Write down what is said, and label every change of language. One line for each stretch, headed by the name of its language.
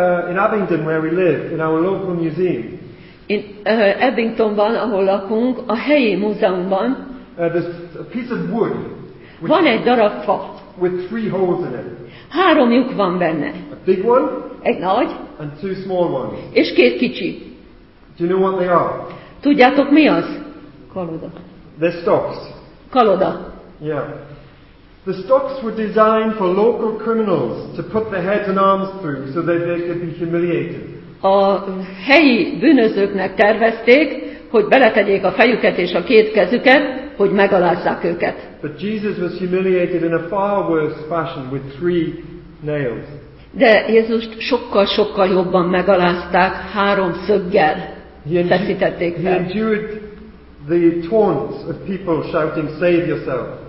English: In Abingdon, where we live, in our local museum.
Hungarian: In Abingdonban, ahol lakunk, a helyi múzeumban.
English: There's a piece of wood.
Hungarian: Van egy darab fa.
English: With three holes in it.
Hungarian: Három lyuk van benne.
English: A big one.
Hungarian: Egy nagy.
English: And two small ones.
Hungarian: És két kicsi.
English: Do you know what they are?
Hungarian: Tudjátok mi az? Kaloda.
English: They're stocks.
Hungarian: Kaloda.
English: Yeah. The stocks were designed for local criminals to put their heads and arms through so that they could be humiliated.
Hungarian: A helyi bűnözőknek tervezték, hogy beletegyék a fejüket és a két kezüket, hogy megalázzák őket.
English: But Jesus was humiliated in a far worse fashion with three nails.
Hungarian: De Jézust sokkal-sokkal jobban megalázták, három szöggel feszítették fel.
English: He endured the taunts of people shouting, "Save yourself."